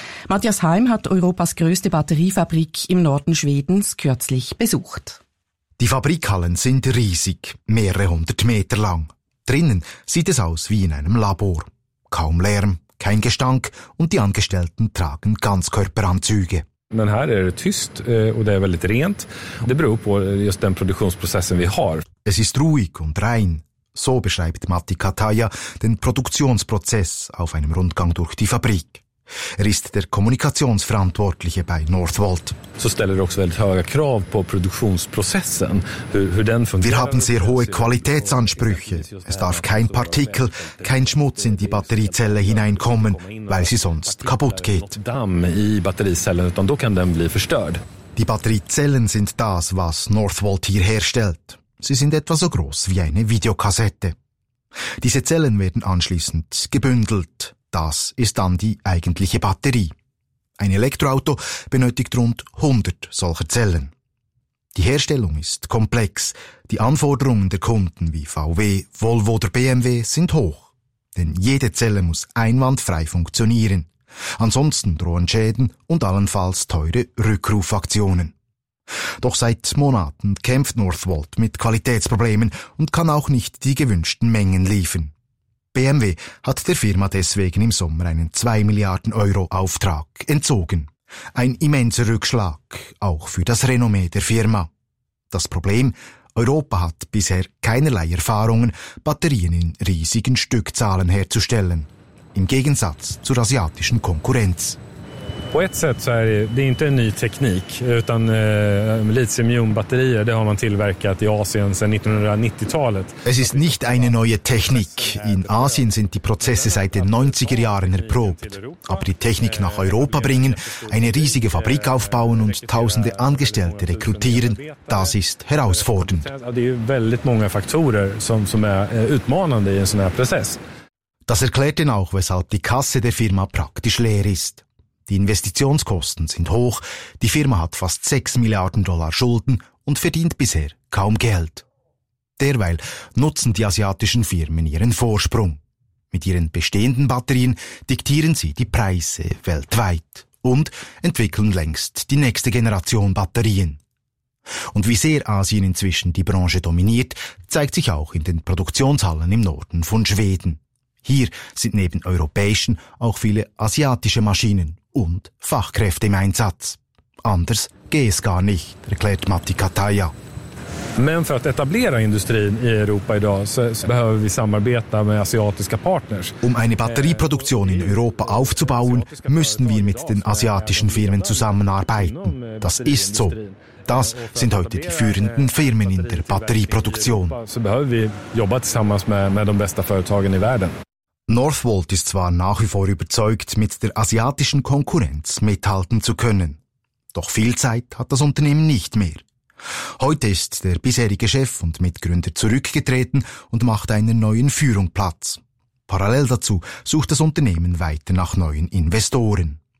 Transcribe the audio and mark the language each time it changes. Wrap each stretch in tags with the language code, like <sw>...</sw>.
<de>Matthias Heim hat Europas grösste Batteriefabrik im Norden Schwedens kürzlich besucht. Die Fabrikhallen sind riesig, mehrere hundert Meter lang. Drinnen sieht es aus wie in einem Labor. Kaum Lärm, kein Gestank und die Angestellten tragen Ganzkörperanzüge.</de> <sv>Men här är det tyst och det är väldigt rent. Det beror på just den produktionsprocessen vi har.</sv> <de>Es ist ruhig und rein. So beschreibt Matti Kataja den Produktionsprozess auf einem Rundgang durch die Fabrik. Ist der Kommunikationsverantwortliche bei Northvolt.</de> <sv>Så ställer det också väldigt höga krav på produktionsprozessen, hur den fungerar.</sv> <de>Wir haben sehr hohe Qualitätsansprüche. Es darf kein Partikel, kein Schmutz in die Batteriezelle hineinkommen, weil sie sonst kaputt geht.</de> <sv>Damm i batterizellen, utan då kan den bli förstörd.</sv> <de>Die Batteriezellen sind das, was Northvolt hier herstellt. Sie sind etwa so groß wie eine Videokassette. Diese Zellen werden anschließend gebündelt. Das ist dann die eigentliche Batterie. Ein Elektroauto benötigt rund 100 solcher Zellen. Die Herstellung ist komplex. Die Anforderungen der Kunden wie VW, Volvo oder BMW sind hoch. Denn jede Zelle muss einwandfrei funktionieren. Ansonsten drohen Schäden und allenfalls teure Rückrufaktionen. Doch seit Monaten kämpft Northvolt mit Qualitätsproblemen und kann auch nicht die gewünschten Mengen liefern. BMW hat der Firma deswegen im Sommer einen 2 Milliarden Euro Auftrag entzogen. Ein immenser Rückschlag, auch für das Renommee der Firma. Das Problem, Europa hat bisher keinerlei Erfahrungen, Batterien in riesigen Stückzahlen herzustellen. Im Gegensatz zur asiatischen Konkurrenz.</de> <sv>På ett sätt så är det inte en ny teknik, utan litiumjonbatterier, det har man tillverkat i Asien sedan 1990-talet.</sv> <de>Es ist nicht eine neue Technik. In Asien sind die Prozesse seit den 90er Jahren erprobt. Aber die Technik nach Europa bringen, eine riesige Fabrik aufbauen und tausende Angestellte rekrutieren, das ist herausfordernd.</de> <sv>Det är väldigt många faktorer som är utmanande i en sån här process.</sv> <de>Das erklärt denn auch, weshalb die Kasse der Firma praktisch leer ist. Die Investitionskosten sind hoch, die Firma hat fast 6 Milliarden Dollar Schulden und verdient bisher kaum Geld. Derweil nutzen die asiatischen Firmen ihren Vorsprung. Mit ihren bestehenden Batterien diktieren sie die Preise weltweit und entwickeln längst die nächste Generation Batterien. Und wie sehr Asien inzwischen die Branche dominiert, zeigt sich auch in den Produktionshallen im Norden von Schweden. Hier sind neben europäischen auch viele asiatische Maschinen und Fachkräfte im Einsatz. Anders geht es gar nicht, erklärt Matti Kataja.</de> <sv>Men för att etablera industrin i Europa idag så behöver vi samarbeta med asiatiska partners.</sv> <de>Um eine Batterieproduktion in Europa aufzubauen, müssen wir mit den asiatischen Firmen zusammenarbeiten. Das ist so. Das sind heute die führenden Firmen in der Batterieproduktion.</de> <sv>Så behöver vi jobba tillsammans med de bästa företagen i världen.</sv> <de>Northvolt ist zwar nach wie vor überzeugt, mit der asiatischen Konkurrenz mithalten zu können. Doch viel Zeit hat das Unternehmen nicht mehr. Heute ist der bisherige Chef und Mitgründer zurückgetreten und macht einer neuen Führung Platz. Parallel dazu sucht das Unternehmen weiter nach neuen Investoren.</de>